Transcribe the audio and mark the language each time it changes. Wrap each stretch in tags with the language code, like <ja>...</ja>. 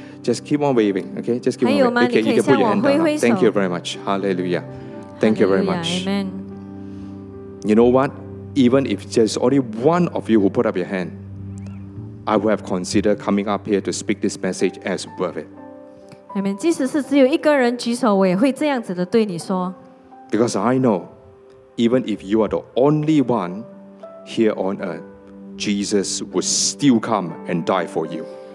<en>Just keep on waving, okay? Just keep on waving. Okay, you can put your hand down. Thank you very much. Hallelujah. Thank you very much. Amen. You know what? Even if there's only one of you who put up your hand, I would have considered coming up here to speak this message as worth it. Amen.</en> <zh>即使是只有一个人举手, 我也会这样子的对你说。</zh> <en>Because I know, even if you are the only one here on earth, Jesus would still come and die for you.</en>